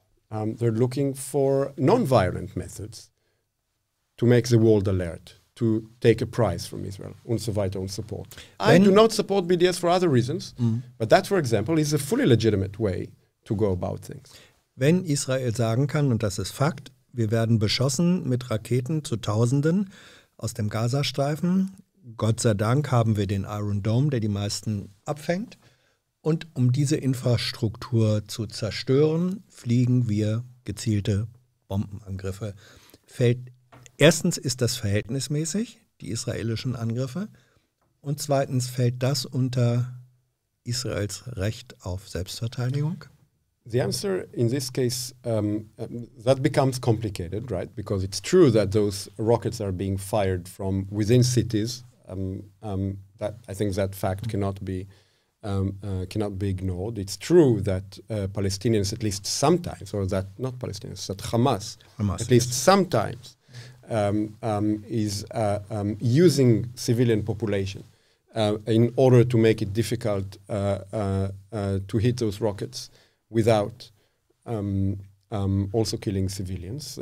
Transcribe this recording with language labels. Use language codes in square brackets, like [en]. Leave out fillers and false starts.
[en] They're looking for nonviolent methods to make the world alert, to take a prize from Israel, [de] und so weiter und so fort. [en] I do not support BDS for other reasons, but that, for example, is a fully legitimate way to go about things. [de] Wenn Israel sagen kann, und das ist Fakt, wir werden beschossen mit Raketen zu Tausenden aus dem Gazastreifen. Gott sei Dank haben wir den Iron Dome, der die meisten abfängt. Und um diese Infrastruktur zu zerstören, fliegen wir gezielte Bombenangriffe. Erstens ist das verhältnismäßig, die israelischen Angriffe. Und zweitens fällt das unter Israels Recht auf Selbstverteidigung. [en] The answer in this case, that becomes complicated, right? Because it's true that those rockets are being fired from within cities. That I think that fact cannot be ignored. It's true that Palestinians, at least sometimes, or that not Palestinians, that Hamas at least sometimes, is using civilian population in order to make it difficult to hit those rockets without also killing civilians.